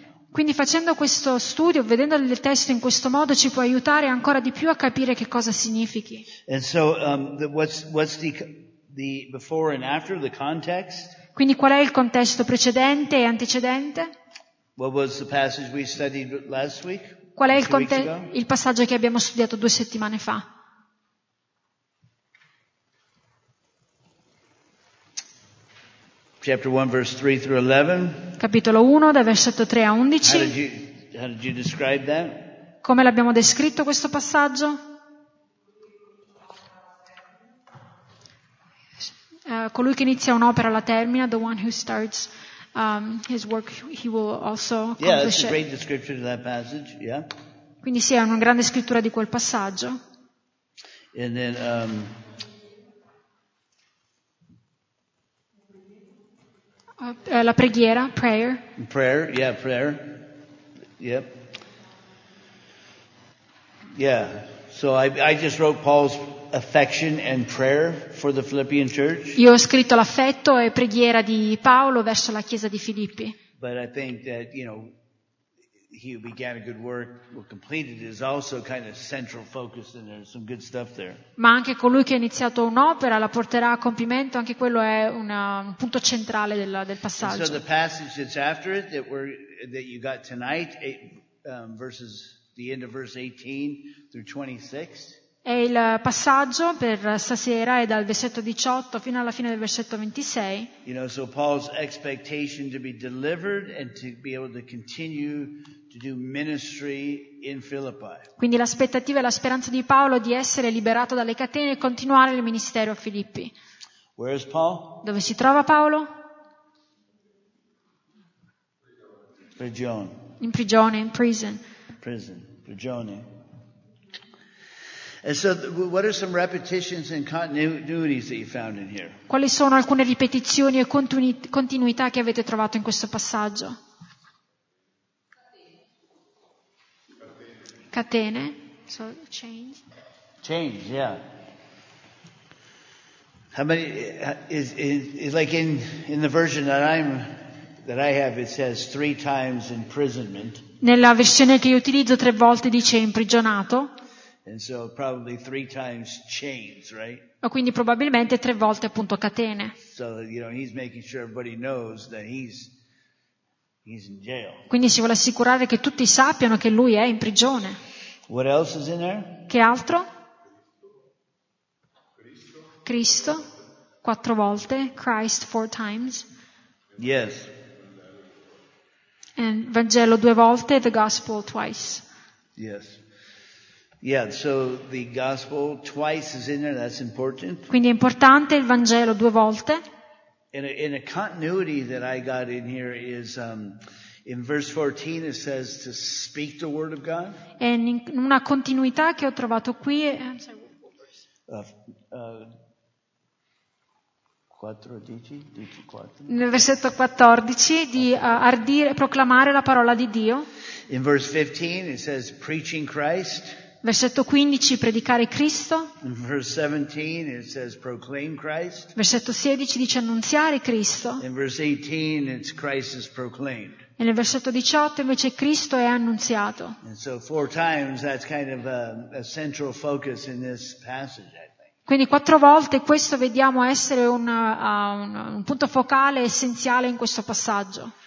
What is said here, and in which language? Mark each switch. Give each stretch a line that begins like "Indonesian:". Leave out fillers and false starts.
Italian: Quindi facendo questo studio, vedendo il testo in questo modo, ci può aiutare ancora di più a capire che cosa significhi.
English: And so, what's the before and after the context?
Italian: Quindi qual è il contesto precedente e antecedente?
English: What was the passage we studied last week?
Italian: Qual è il passaggio che abbiamo studiato due settimane fa?
English: Chapter 1, verse 3 through 11.
Italian: Capitolo 1, dal versetto 3 a 11.
English: How did you describe that?
Italian: Come l'abbiamo descritto questo passaggio? Colui che inizia un'opera la termina,
English: the one who starts his work, he will also accomplish it. Yeah, that's a great description of that passage, yeah.
Italian: Quindi sì, è una grande scrittura di quel passaggio.
English: And then,
Italian: la preghiera, prayer.
English: Prayer, yeah, prayer. Yep. Yeah, so I just wrote Paul's affection and prayer for the Philippian church.
Italian: Io ho scritto l'affetto e preghiera di Paolo verso la chiesa di Filippi.
English: But I think that, you know, he who began a good work will complete it is also kind of central focus, and there's some good stuff there.
Italian: Ma anche colui che ha iniziato un'opera la porterà a compimento, anche quello è un punto centrale del passaggio.
English: And so the passage that's after it that you got tonight, verses the end of verse 18 through 26.
Italian: È il passaggio per stasera è dal versetto 18 fino alla fine del versetto 26.
English: You know, so Paul's expectation to be delivered and to be able to continue to do ministry in Philippi.
Italian: Quindi l'aspettativa e la speranza di Paolo di essere liberato dalle catene e continuare il ministero a Filippi.
English: Where is Paul?
Italian: Dove si trova Paolo? Prigione. In prigione,
English: in prison.
Italian: Prison, prigione.
English: And so, what are some repetitions and continuities that you found in here?
Italian: Quali sono alcune ripetizioni e continuità che avete trovato in questo passaggio?
English: Catene. So chains. Chains, yeah. How many is like in the version that I have? It says three times imprisonment.
Italian: Nella versione che io utilizzo tre volte dice imprigionato.
English: And so probably three times chains, right?
Italian: O quindi probabilmente tre volte appunto catene.
English: So you know he's making sure everybody knows that he's in jail.
Italian: Quindi si vuole assicurare che tutti sappiano che lui è in prigione.
English: What else is in there?
Italian: Che altro? Cristo quattro volte.
English: Christ four times. Yes. And
Italian: Vangelo due volte.
English: The gospel twice. Yes. Yeah, so the gospel twice is in there, that's important.
Italian: Quindi è importante il Vangelo due volte.
English: In a continuity that I got in here is in verse 14 it says to speak the word of God.
Italian: E in una continuità che ho trovato qui è 4, 10, 4. Nel versetto 14 di ardire proclamare la parola di Dio.
English: In verse 15 it says preaching Christ.
Italian: Versetto 15, predicare Cristo.
English: Verse 17, it says, proclaim Christ.
Italian: Versetto 16 dice annunziare Cristo.
English: In verse 18, it's Christ is proclaimed.
Italian: E nel versetto 18 invece Cristo è annunziato.
English: And so four times that's kind of a central focus in this passage, I think.
Italian: Quindi quattro volte questo vediamo essere un punto focale essenziale in questo passaggio.